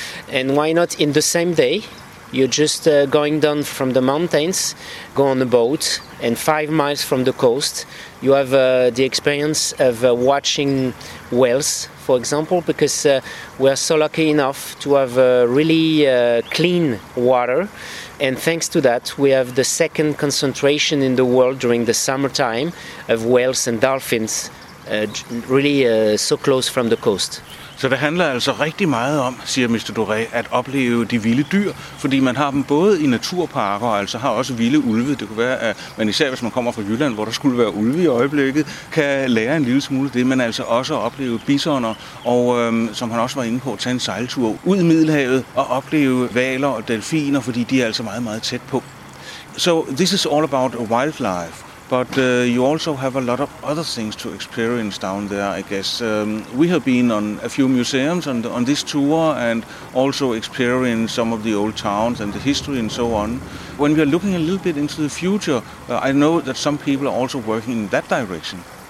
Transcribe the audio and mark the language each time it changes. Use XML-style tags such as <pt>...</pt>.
<en>And why not in the same day, you're just going down from the mountains, go on a boat, and 5 miles from the coast, you have the experience of watching whales, for example, because we are so lucky enough to have really clean water. And thanks to that, we have the second concentration in the world during the summertime of whales and dolphins, really so close from the coast.</en> <da>Så det handler altså rigtig meget om, siger Mr. Doré, at opleve de vilde dyr, fordi man har dem både i naturparker og altså har også vilde ulve. Det kunne være, at man især hvis man kommer fra Jylland, hvor der skulle være ulve i øjeblikket, kan lære en lille smule det, men altså også opleve bisoner og, som han også var inde på, tage en sejltur ud i Middelhavet og opleve hvaler og delfiner, fordi de er altså meget, meget tæt på.</da> <en>So this is all about wildlife. But you also have a lot of other things to experience down there, I guess. We have been on a few museums on this tour and also experienced some of the old towns and the history and so on. When we are looking a little bit into the future, I know that some people are also working in that direction.</en>